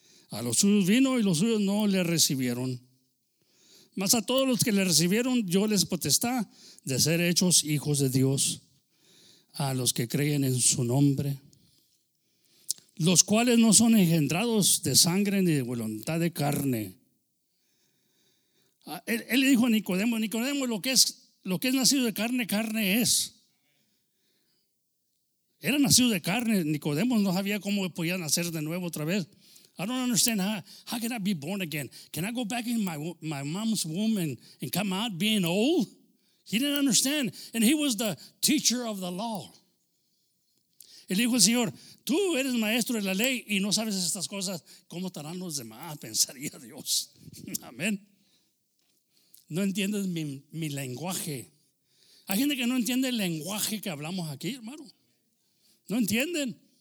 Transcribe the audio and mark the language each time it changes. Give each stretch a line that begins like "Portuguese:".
Spanish: A los suyos vino y los suyos no le recibieron. Mas a todos los que le recibieron, dio les potestad de ser hechos hijos de Dios, a los que creen en su nombre, los cuales no son engendrados de sangre ni de voluntad de carne. Él le dijo a Nicodemo: Nicodemo, lo que es nacido de carne, carne es. Era nacido de carne. Nicodemo no sabía cómo podía nacer de nuevo otra vez.
English: I don't understand how can I be born again? Can I go back in my mom's womb and come out being old? He didn't understand. And he was the teacher of the law.
Spanish: Él dijo al Señor, tú eres maestro de la ley y no sabes estas cosas. ¿Cómo estarán los demás? Pensaría Dios. Amén. No entiendes mi lenguaje. Hay gente que no entiende el lenguaje que hablamos aquí, hermano. No entienden.